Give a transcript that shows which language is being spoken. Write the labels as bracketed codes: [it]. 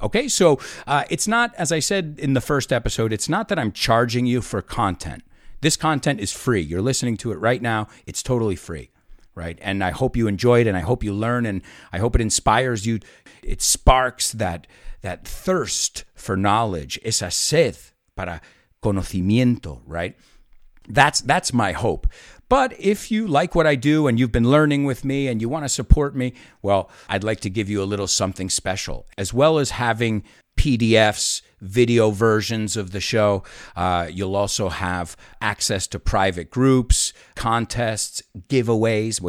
[en] Okay, so it's not, as I said in the first episode, it's not that I'm charging you for content. This content is free. You're listening to it right now. It's totally free, right? And I hope you enjoy it, and I hope you learn, and I hope it inspires you. It sparks that thirst for knowledge. [es] Esa sed para conocimiento, right? [en] That's my hope. But if you like what I do and you've been learning with me and you want to support me, well, I'd like to give you a little something special. As well as having PDFs, video versions of the show, you'll also have access to private groups, contests, giveaways.